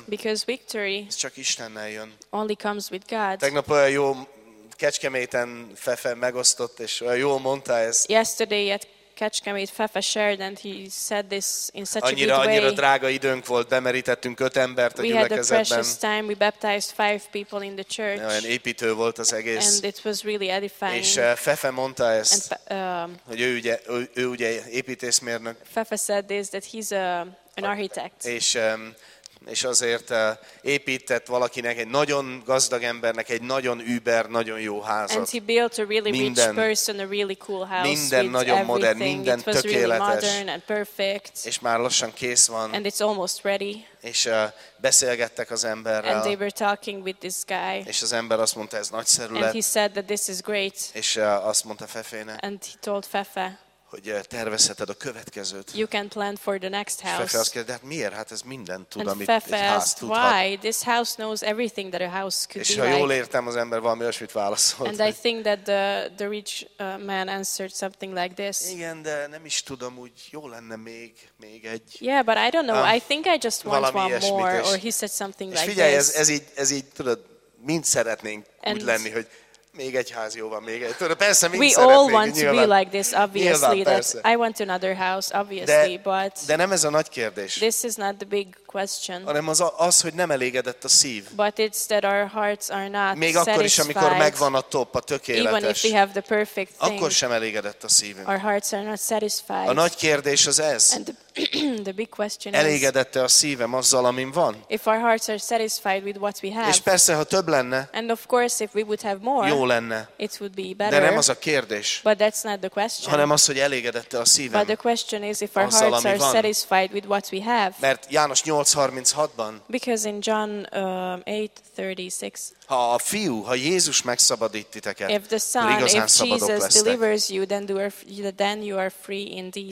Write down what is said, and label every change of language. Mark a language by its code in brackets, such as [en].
[en] Because victory. [hu] Ez csak Istennel jön. [en] Only comes with God. [hu] Tegnap olyan jó Kecskeméten Fefe megosztott és olyan jól mondta ezt. [en] Yesterday at Kecskemét, Fefe Sheridan, he said this in such [hu] annyira, [en] a good way. [hu] Annyira drága időnk volt, bemerítettünk 5 embert a gyülekezetben. [en] We had a precious time, we baptized 5 people in the church. [hu] Olyan építő volt az egész. [en] And it was really edifying. [hu] És Fefe mondta ezt, hogy ő ugye építészmérnök. [en] Fefe said this, that he's an architect. [hu] És azért épített valakinek, egy nagyon gazdag embernek, egy nagyon über, nagyon jó házat. [en] And he built a really [hu] minden, [en] rich person, a really cool house. [hu] Minden nagyon [en] everything. [hu] Modern, minden [en] it was [hu] tökéletes. [en] Really modern and perfect. [hu] És már lassan kész van. [en] And it's almost ready. [hu] És beszélgettek az emberrel. [en] And they were talking with this guy. [hu] És az ember azt mondta, ez nagyszerű lett. [en] And he said that this is great. [hu] És azt mondta Fefének. [en] And he told Fefe. [hu] Hogy tervezheted a következőt. [en] You can plan for the next house. [hu] Fefe azt kérde, hát miért? Hát ez mindent tud, [en] and [hu] amit egy ház tudhat. [en] Why? This house knows everything that a house could [hu] és [en] be [hu] ha jól [en] like. [hu] Értem, az ember valami olyasmit válaszolt. [en] And I think that the rich man answered something like this. [hu] Igen, de nem is tudom, úgy jó lenne még egy. [en] Yeah, but I don't know. I think I just want one more. Or he said something like [hu] figyelj, [en] this. [hu] És figyelj, ez így, tudod, mind szeretnénk and úgy lenni, hogy még egy ház jó van, még egy. Tudod, persze, [en] we all want to be like this, obviously. That I want another house, obviously. [hu] De nem ez a nagy kérdés. [en] This is not the big question. [hu] Hanem az, hogy nem elégedett a szív. [en] But it's that our hearts are not [hu] még akkor [en] satisfied. [hu] Is, amikor megvan a top, a tökéletes. [en] Even if we have the perfect thing, [hu] akkor sem elégedett a szívünk. [en] Our hearts are not satisfied. [hu] A nagy kérdés az ez. [en] And the big question [hu] elégedette a szívem azzal, amin van? [en] If our hearts are satisfied with what we have. [hu] És persze, ha több lenne. [en] And of course, if we would have more. [hu] Jó lenne. [en] It would be better. [hu] De nem az a kérdés. [en] But that's not the question. [hu] Hanem az, hogy elégedette a szívem. [en] But the question is if our hearts are satisfied with what we have. [hu] Mert János 8:36-ban. [en] Because in John 8:36. [hu] Ha a fiú, ha Jézus megszabadít titeket. [en] If the son, [hu] igazán [en] if Jesus delivers you, then you are free indeed.